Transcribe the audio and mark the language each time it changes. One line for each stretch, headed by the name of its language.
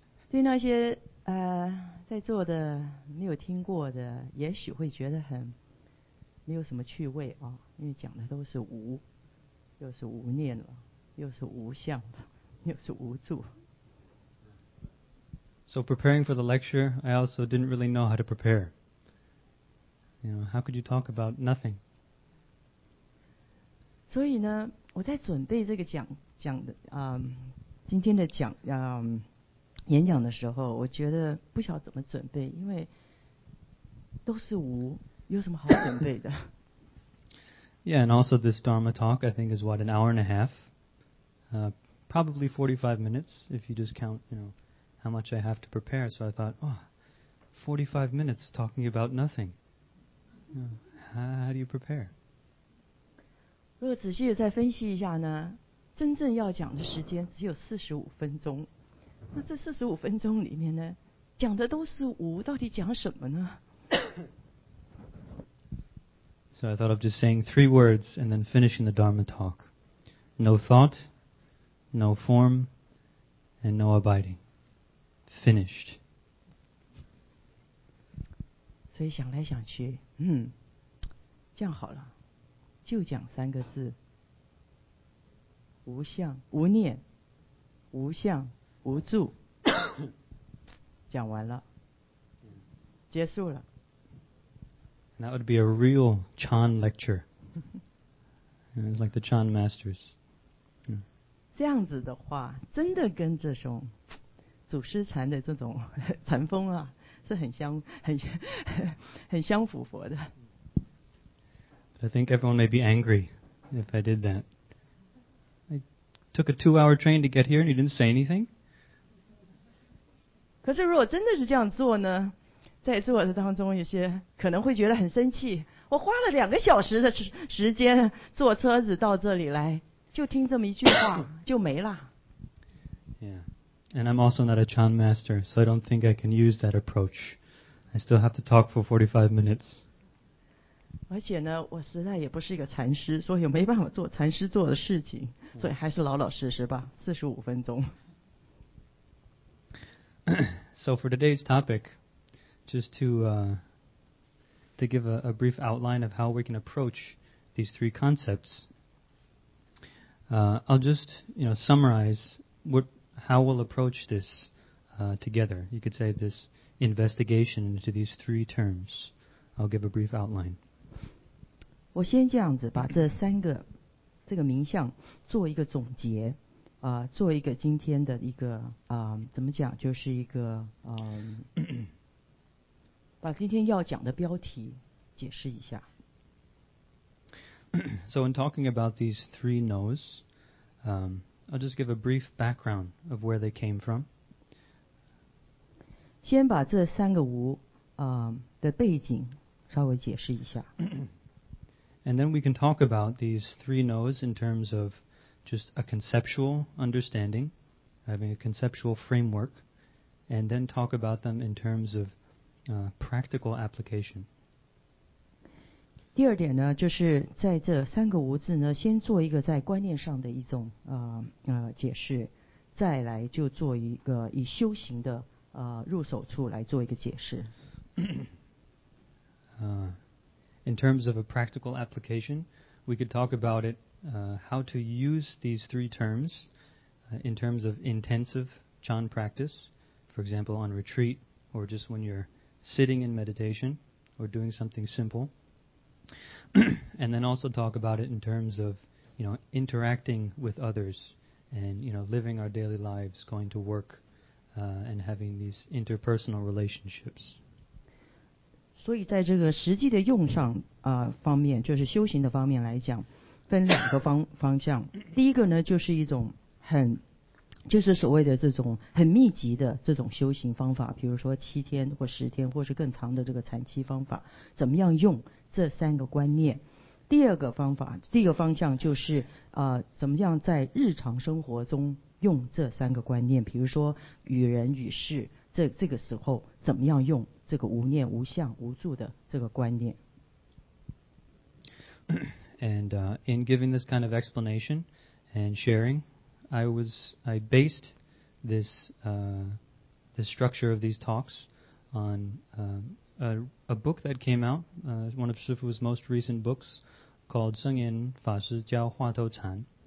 Chinese: 对那些在座的没有听过的，也许会觉得很没有什么趣味啊、哦，因为讲的都是无，又是无念了，又是无相，又是无住。
English: So preparing for the lecture, I also didn't really know how to prepare. You know, how could you talk about nothing?
Chinese: 所以呢，我在准备这个讲的今天的讲演讲的时候，我觉得不晓得怎么准备，因为都是无，有什么好准备的
English: ？Yeah, and also this Dharma talk, I think, is what an hour and a half, probably 45 minutes if you just count, you know, how much I have to prepare. So I thought, oh, 45 minutes talking about nothing. How do you prepare?
Chinese: 如果仔细再分析一下呢，真正要讲的时间只有45分钟。那这四十五分钟里面呢，讲的都是无，到底讲什么呢？
English: So I thought of just saying three words and then finishing the Dharma talk. No thought, no form, and no abiding. Finished.
Chinese: 所以想来想去，这样好了，就讲三个字：无相、无念、无相、无住。讲完了，结束了。
English: That would be a real Chan lecture. It was like the Chan masters.
Chinese: 这样子的话，真的跟这种祖师禅的这种禅风啊，是很相符合的。
English: But I think everyone may be angry if I did that. I took a two-hour train to get here, and you didn't say anything.
Chinese: 可是如果真的是这样做呢？在座的当中，有些可能会觉得很生气。我花了两个小时的时间坐车子到这里来，就听这么一句话就没了。
English: Yeah, and I'm also not a Chan master, so I don't think I can use that approach. I still have to talk for 45 minutes.
Chinese: 而且呢，我实在也不是一个禅师，所以没办法做禅师做的事情，所以还是老老实实吧，四十五分钟。
English: So for today's topic. Just to give a brief outline of how we can approach these three concepts, I'll just summarize how we'll approach this together. You could say this investigation into these three terms. I'll give a brief outline.
Chinese: 我先这样子把这三个这个名相做一个总结，做一个今天的一个怎么讲，就是一个把今天要讲的标题解释一下。
English: So in talking about these three no's, I'll just give a brief background of where they came from.
Chinese: 先把这三个无的背景稍微解释一下。
English: And then we can talk about these three no's in terms of just a conceptual understanding, having a conceptual framework, and then talk about them in terms ofpractical application.
Chinese: 第二点呢，就是在这三个无字呢，先做一个在观念上的一种解释，再来就做一个以修行的入手处来做一个解释。
English: In terms of a practical application, we could talk about it, how to use these three terms, in terms of intensive Chan practice, for example, on retreat or just when you're. Sitting in meditation or doing something simple, and then also talk about it in terms of, interacting with others and, living our daily lives, going to work, and having these interpersonal relationships.
Chinese: 所以在这个实际的用上方面，就是修行的方面来讲，分两个方向。第一个呢，就是一种很就是所谓的这种很密集的这种修行方法，比如说七天或十天或是更长的这个禅期方法，怎么样用这三个观念。第二个方法，第一个方向就是怎么样在日常生活中用这三个观念，比如说与人与事这个时候怎么样用这个无念无相无住的这个观念。
English: And in giving this kind of explanation and sharingI based this, the structure of these talks on a book that came out, one of Shifu's most recent books called Seng Yin Fa Shi Jiao Hua Tou Chan.